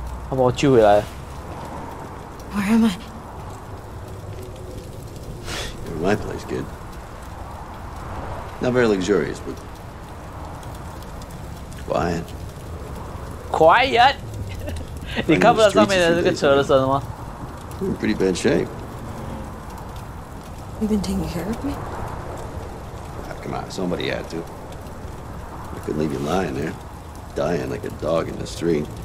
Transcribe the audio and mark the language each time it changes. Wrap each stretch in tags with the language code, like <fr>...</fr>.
<zh>他把我救回来。</zh> <en>Where am I? You're in my place, kid. Not very luxurious, but quiet. Quiet?</en> <zh>你看不到上面的这个车的声吗</zh> <en>？You're in pretty bad shape. You've been taking care of me. Come on, somebody had to. Couldn't leave you lying there, dying like a dog in the street.</en>